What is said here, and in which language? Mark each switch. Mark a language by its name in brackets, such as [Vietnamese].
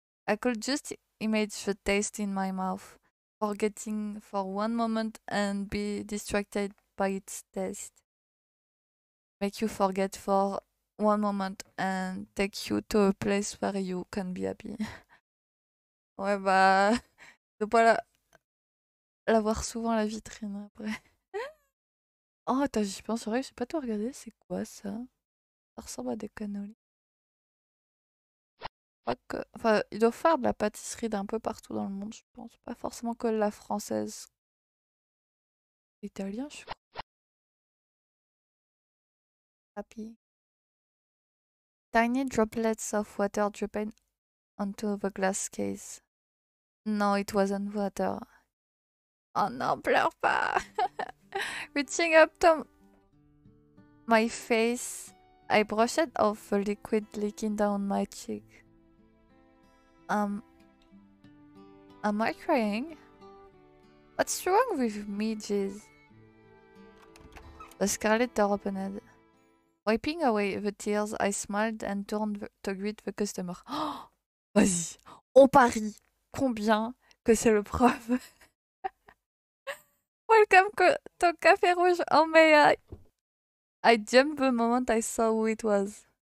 [English] I could just image the taste in my mouth, forgetting for one moment and be distracted by its taste. Make you forget for one moment and take you to a place where you can be happy. [French] Ouais, bah, de pas la voir souvent la vitrine après. Oh, attends, j'y pense, c'est vrai, j'ai pas tout regardé, c'est quoi ça? Ça ressemble à des cannolis. Enfin, ils doivent faire de la pâtisserie d'un peu partout dans le monde, je pense. Pas forcément que la française. L'italien, je crois. [English] Happy. Tiny droplets of water dripping onto the glass case. No, it wasn't water. [French] Oh non, pleure pas. [English] Reaching up to my face, I brushed off the liquid leaking down my cheek. Am I crying? What's wrong with me, Jeez? The scarlet door opened. Wiping away the tears, I smiled and turned to greet the customer. [French] Oh, vas-y, on parie combien que c'est le prof. [English] Welcome to Café Rouge, oh may I jumped the moment I saw who it was.